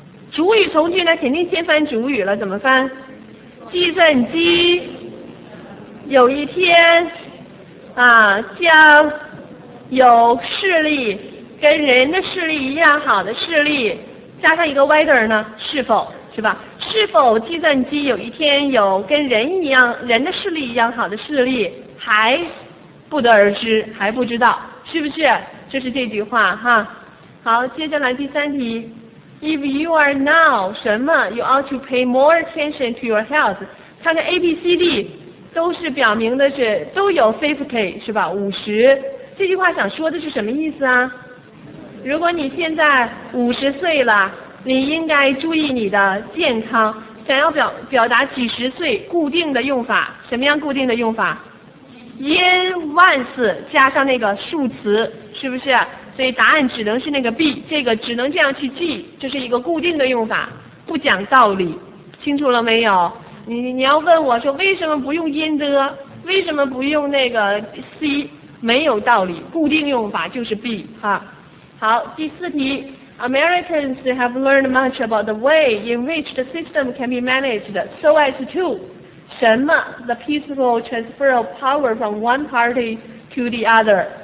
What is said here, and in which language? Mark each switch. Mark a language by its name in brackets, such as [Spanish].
[Chinese] 主语从句呢，肯定先翻主语了，怎么翻？计算机有一天啊，将有视力跟人的视力一样好的视力，加上一个 whether 呢，是否，是吧？是否计算机有一天有跟人一样人的视力一样好的视力，还不得而知，还不知道，是不是？就是这句话哈。好，接下来第三题。 [English] If you are now [Chinese] 什么 [English] ，you ought to pay more attention to your health。 [Chinese] 看看 A、B、C、D， 都是表明的是都有 50 是吧？五十，这句话想说的是什么意思啊？如果你现在50岁了，你应该注意你的健康。想要表达几十岁，固定的用法，什么样固定的用法 ？ [English] In once [Chinese] 加上那个数词，是不是？所以答案只能是那个 B， 这个只能这样去记，这是一个固定的用法，不讲道理，清楚了没有？你要问我说为什么不用 [English] in the， [Chinese] 为什么不用那个 C， 没有道理，固定用法就是 B 哈。好，第四题。 [English] Americans have learned much about the way in which the system can be managed so as to [Chinese] 什么 [English] the peaceful transfer of power from one party to the other。